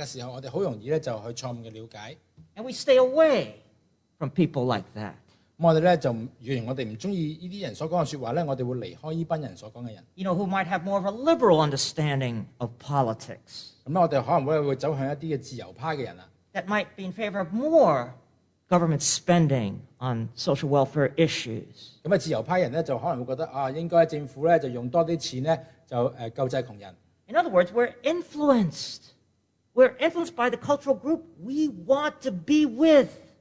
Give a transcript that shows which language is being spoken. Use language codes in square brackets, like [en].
[yue] 所以呢,若然我們不是去明白的時候,我們很容易就去錯誤的了解。 [en] And we stay away from people like that. [yue] 我哋咧就，若然我哋唔中意呢啲人所講嘅説話咧，我哋會離開呢班人所講嘅人。 [en] You know who might have more of a liberal understanding of politics？ [yue] 咁咧，我哋可能會走向一啲嘅自由派嘅人啦。 [en] That might be in favor of more government spending on social welfare issues。 [yue] 咁啊，自由派人咧就可能會覺得啊，應該政府咧就用多啲錢咧就救濟窮人。 [en] In other words, we're influenced. We're influenced by the cultural group we want to be with。